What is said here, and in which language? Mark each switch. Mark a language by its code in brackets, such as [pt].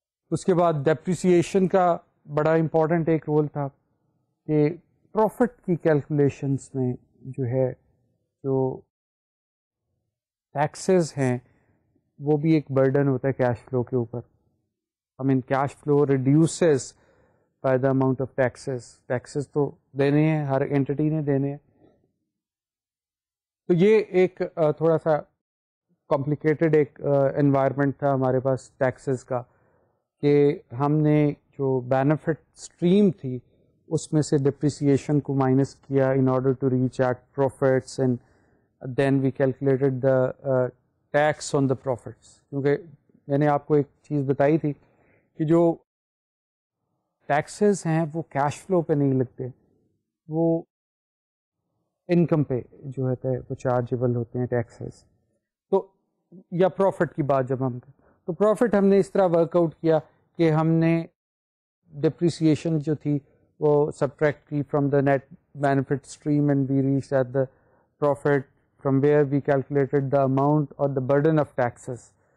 [ur] اس کے بعد ڈیپریسیشن کا بڑا امپورٹنٹ ایک رول تھا کہ پروفٹ کی کیلکولیشنس میں جو ہے جو ٹیکسز ہیں وہ بھی ایک برڈن ہوتا ہے کیش فلو کے اوپر. [en] I mean cash flow reduces by the amount of taxes. [ur] Taxes تو دینے ہیں، ہر entity نے دینے ہیں. تو یہ ایک تھوڑا سا complicated ایک environment تھا ہمارے پاس taxes کا، کہ ہم نے جو benefit stream تھی اس میں سے depreciation کو minus کیا [en] in order to reach at profits and then we calculated the tax on the profits. [ur] کیونکہ میں نے آپ کو ایک چیز بتائی تھی کہ جو ٹیکسز ہیں وہ کیش فلو پہ نہیں لگتے، وہ انکم پہ جو ہوتا ہے وہ چارجیبل ہوتے ہیں ٹیکسز. تو یا پروفٹ کی بات جب ہم کریں تو پروفٹ ہم نے اس طرح ورک آؤٹ کیا کہ ہم نے ڈپریسیشن جو تھی وہ سبٹریکٹ کی [en] From the net benefit stream and we reach at the profit from where we calculated the amount or the burden of taxes.